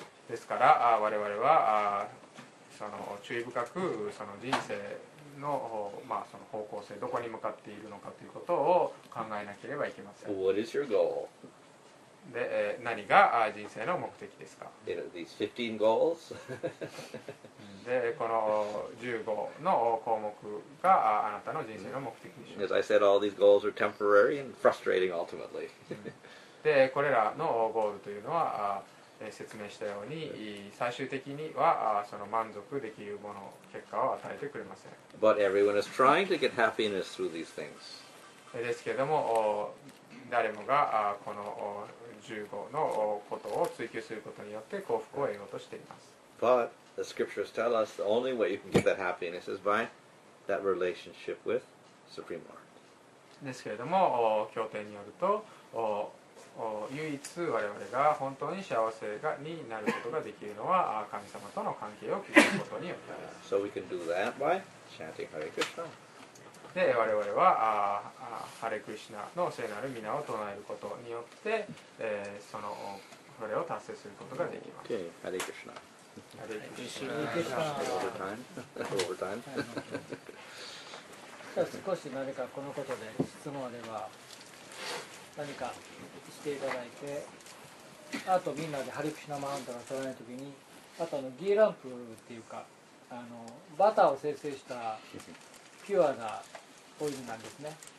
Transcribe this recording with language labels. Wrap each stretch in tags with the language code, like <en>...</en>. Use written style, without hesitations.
<ja>ですから我々はその注意深くその人生 の,、まあ、その方向性どこに向かっているのかということを考えなければいけません。</ja> <en>What is your goal?</en> <ja>で、何が人生の目的ですか。</ja> <en>You know, these 15 goals.</en> <ja>で、この15の項目が あなたの人生の目的でしょう。</ja> <en>As I said, all these goals are temporary and frustrating ultimately.</en> <ja>で、これらのゴールというのは説明したように最終的にはその満足できるもの結果を与えてくれません。</ja> <en>But everyone is trying to get happiness through these things.</en> <ja>ですけども誰もがこの15のことを追求することによって幸福を得ようとしています。</ja> <en>But the scriptures tell us the only way you can get that happiness is by that relationship with Supreme Lord.</en> <ja>ですけれども、経典によると、唯一我々が本当に幸せになることができるのは神様との関係を築くことによってです。</ja> <en>So we can do that by chanting Hare Krishna.</en> <ja>で、我々はハレクリシュナの聖なる皆を唱えることによって、それを達成することができます。 Okay. ハレクリシュナ。ハレクリシュナ。ハレクリシュナ。オーバータイム。じゃあ少し何かこのことで質問あれば何かしていただいて、あとみんなでハレクリシュナマントラを唱えるときに、あとギーランプっていうかバターを生成したピュアなオイルなんですね。</ja>